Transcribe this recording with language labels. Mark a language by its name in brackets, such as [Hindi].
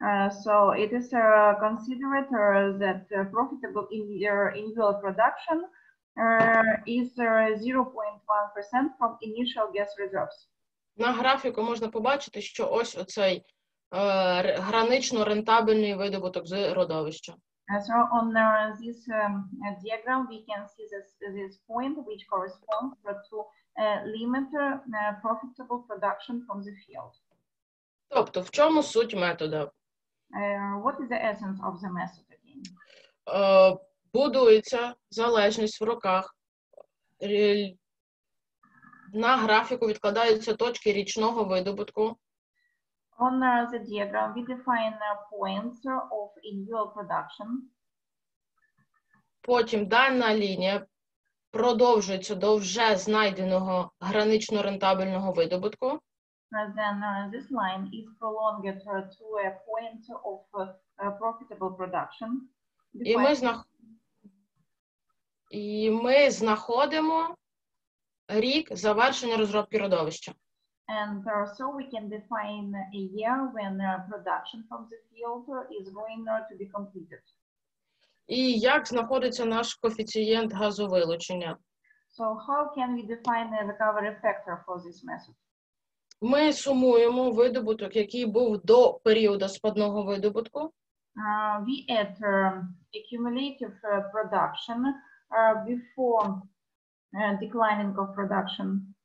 [English] So it is considered that profitable annual production is 0.1% from initial gas reserves. [Ukrainian] На графіку можна побачити, що ось оцей гранично рентабельний видобуток з родовища. [English] So on this diagram we can see this point which corresponds to a limit profitable production from the field. [Ukrainian] Тобто, в чому суть методу? [English] What is the essence of the method again? [Ukrainian] Будується залежність в роках, на графіку відкладаються точки річного видобутку. [English] On the diagram we define points of annual production. [Ukrainian] Потім дана лінія продовжується до вже знайденого гранично-рентабельного видобутку. [English] Then this line is prolonged to a point of profitable production. [Ukrainian] І ми знаходимо рік завершення розробки родовища. [English] And so we can define a year when production from the field is going to be completed. [Ukrainian] І як знаходиться наш коефіцієнт газовилучення? [English] So how can we define a recovery factor for this method? [Ukrainian] Ми сумуємо видобуток, який був до періоду спадного видобутку. [English] We add accumulative production before declining of production.